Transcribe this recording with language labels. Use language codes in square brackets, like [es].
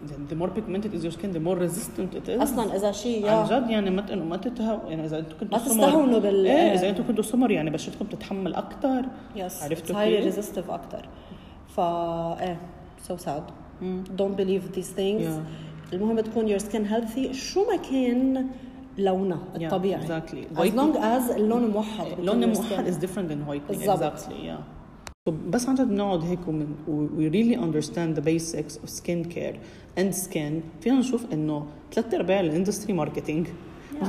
[en] the more pigmented is your skin the more resistant it is [ar] اصلا اذا شيء عن جد يعني ما انه ما تتهوا يعني اذا انتم كنتوا سمر تستهونوا بال إيه اذا انتم كنتوا سمر يعني بشرتكم تتحمل اكثر [en] yes. [ar] عرفتوا كيف هاي [en] resistive [ar] اكثر ف ايه [en] so sad don't believe these things yeah. [ar] المهم تكون [en] your skin healthy [ar] شو ما كان لونه yeah, الطبيعي [en] exactly. as long as [ar] اللون موحد اللون موحد [en] is different than whitening exactly yeah. [ar] بس عندنا بنقعد هيك ومن [en] we really understand the basics of skin care and skin [ar] فينا نشوف انه ثلاثة ارباع الاندستري ماركتينج yeah.